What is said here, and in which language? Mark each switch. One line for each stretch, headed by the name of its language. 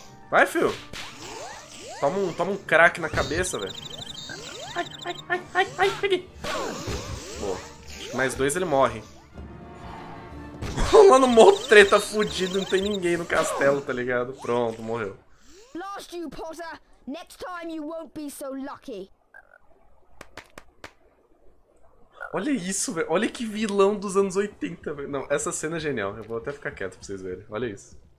Portuguese: Vai, fio! Toma um crack na cabeça, velho. Ai, ai, ai, ai, ai, peguei! Boa. Acho que mais dois ele morre. Mano, mó treta fudido, não tem ninguém no castelo, tá ligado? Pronto, morreu.
English: Lost you, Potter! Next time you won't be so lucky.
Portuguese: Olha isso, velho. Olha que vilão dos anos 80, velho. Não, essa cena é genial. Eu vou até ficar quieto pra vocês verem. Olha isso.